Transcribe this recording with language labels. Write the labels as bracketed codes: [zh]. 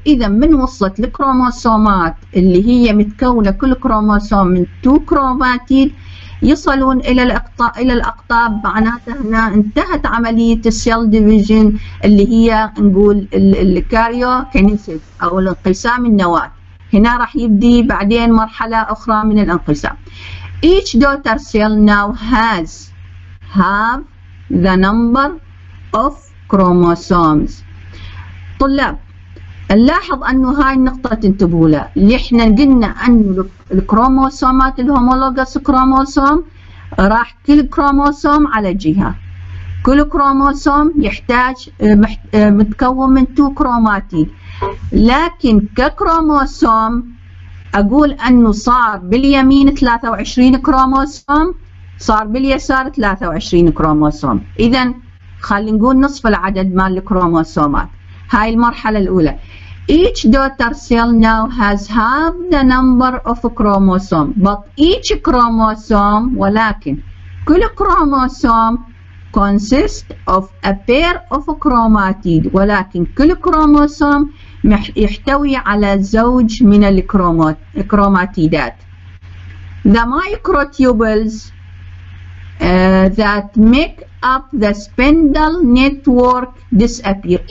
[ar] اذا من وصلت الكروموسومات اللي هي متكونة كل كروموسوم من 2 كروماتيد يصلون الى الاقطاب، معناته هنا انتهت عملية السيل ديفيجن اللي هي نقول الكاريوكينيسيس او الانقسام النواة. هنا راح يبدي بعدين مرحلة اخرى من الانقسام. [en] Each daughter cell now have the number of chromosomes. [ar] طلاب نلاحظ انه هاي النقطة تنتبهوا لها، اللي احنا قلنا انه الكروموسومات الهومولوجس كروموسوم راح كل كروموسوم على جهة، كل كروموسوم يحتاج متكون من 2 كروماتيد، لكن ككروموسوم اقول انه صار باليمين 23 كروموسوم، صار باليسار 23 كروموسوم. اذا خلينا نقول نصف العدد مال الكروموسومات. هاي المرحلة الأولى. [en] Each daughter cell now has half the number of chromosome. But each chromosome, [ar] ولكن كل [en] chromosome consists of a pair of chromatid. [ar] ولكن كل chromosome يحتوي على زوج من الكروماتيدات. [en] The microtubules that make up the spindle network disappear.